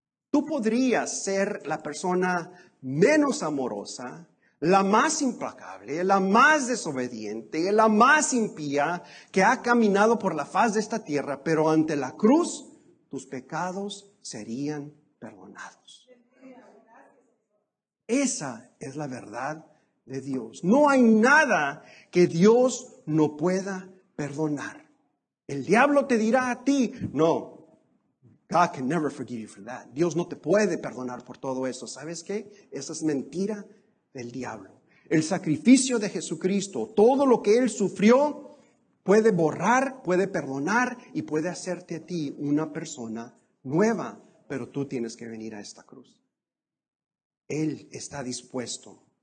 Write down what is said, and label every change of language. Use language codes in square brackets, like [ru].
[es] Tú podrías ser la persona menos amorosa, la más implacable, la más desobediente, la más impía que ha caminado por la faz de esta tierra, pero ante la cruz tus pecados serían perdonados. Esa es la verdad de Dios. No hay nada que Dios no pueda perdonar. El diablo te dirá a ti, no, [en] God can never forgive you for that. [es] Dios no te puede perdonar por todo eso. ¿Sabes qué? Esa es mentira del diablo. El sacrificio de Jesucristo, todo lo que Él sufrió, puede borrar, puede perdonar y puede hacerte a ti una persona nueva. Pero tú tienes que venir a esta cruz. Él está dispuesto.